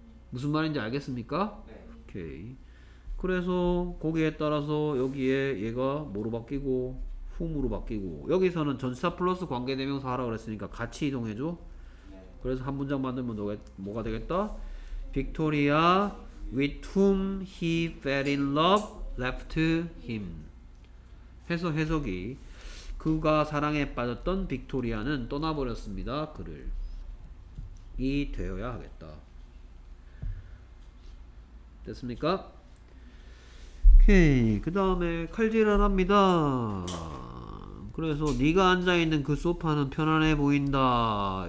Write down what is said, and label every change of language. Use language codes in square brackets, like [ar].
[ko] 무슨 말인지 알겠습니까? 네. 오케이. 그래서 거기에 따라서 여기에 얘가 뭐로 바뀌고 whom으로 바뀌고 여기서는 전치사 플러스 관계대명사 하라고 그랬으니까 같이 이동해줘. 그래서 한 문장 만들면 뭐가 되겠다? [en] Victoria with whom he fell in love left him. [ko] 해서 해석이 그가 사랑에 빠졌던 빅토리아는 떠나버렸습니다. 그를. 이 되어야 하겠다. 됐습니까? 오케이. 그 다음에 칼질을 합니다. 그래서 네가 앉아있는 그 소파는 편안해 보인다.